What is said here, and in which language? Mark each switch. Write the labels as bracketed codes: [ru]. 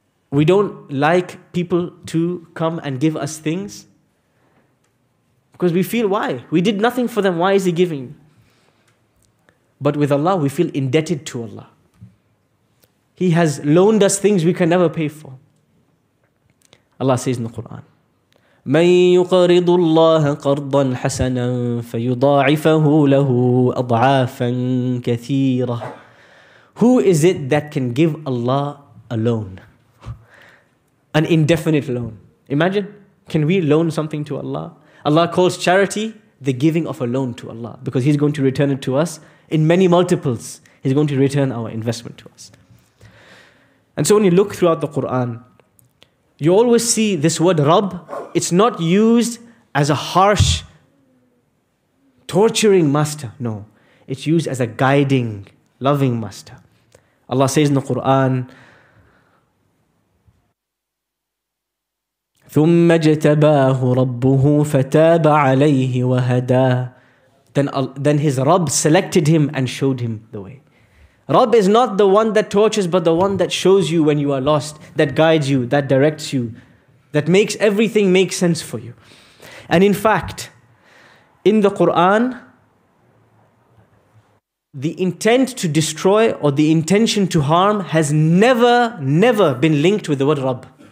[en] We don't like people to come and give us things, because we feel, why? We did nothing for them, why is he giving? But with Allah, we feel indebted to Allah. He has loaned us things we can never pay for. Allah says in the Quran, [ar] مَن يُقَرِضُ اللَّهَ قَرْضًا حَسَنًا فَيُضَاعِفَهُ لَهُ أَضْعَافًا كَثِيرًا. [en] Who is it that can give Allah a loan? An indefinite loan. Imagine, can we loan something to Allah? Allah calls charity the giving of a loan to Allah, because he's going to return it to us in many multiples. He's going to return our investment to us. And so when you look throughout the Quran, you always see this word Rabb. It's not used as a harsh, torturing master. No, it's used as a guiding, loving master. Allah says in the Quran, [ar] ثم اجتباه ربه فتاب عليه وهدى. [en] Then his Rabb selected him and showed him the way. Rabb is not the one that tortures, but the one that shows you when you are lost, that guides you, that directs you, that makes everything make sense for you. And in fact, in the Quran, the intent to destroy or the intention to harm has never, never been linked with the word Rabb.